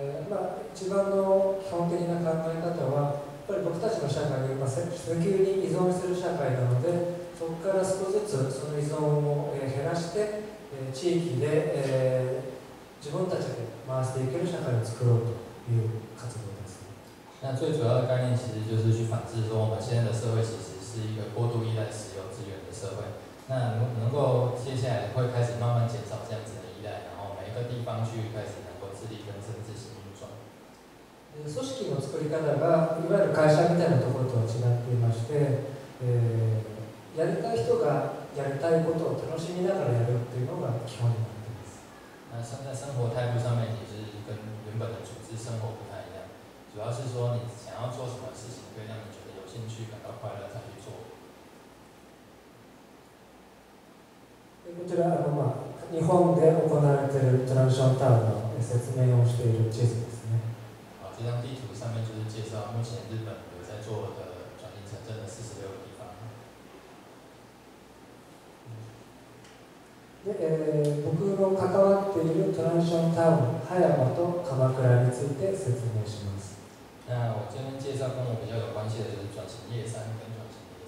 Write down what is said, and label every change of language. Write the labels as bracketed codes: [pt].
[ja] まあ、一番の基本的な考え方はやっぱり僕たちの社会が石油に依存する社会なので、そこから少しずつその依存を減らして地域で、自分たちで回していける社会を作ろうという活動です。 [zh] 那最主要的概念其实就是去反制说我们现在的社会其实是一个过度依赖石油资源的社会，那能够接下来会开始慢慢减少这样子的依赖，然后每一个地方去开始能够自力更生自行运转。 [ja] 組織の作り方がいわゆる会社みたいなところとは違っていまして、やりたい人がやりたいことを楽しみながらやるっていうのが基本になっています。 [zh] 那现在生活态度上面也是跟原本的组织生活不太一样，主要是说你想要做什么事情，可以让你觉得有兴趣感到快乐再去做。 [ja] こちらあのまあ日本で行われているトランションタワーの説明をしている地図ですね。 [zh] あ、这张地图上面就是介绍目前日本有在做的转型城镇的46个地方。 [ja] で、僕の関わっているトランションタワー、葉山と鎌倉について説明します。 [zh] 那我今天介绍跟我比较有关系的就是转型叶山跟转型。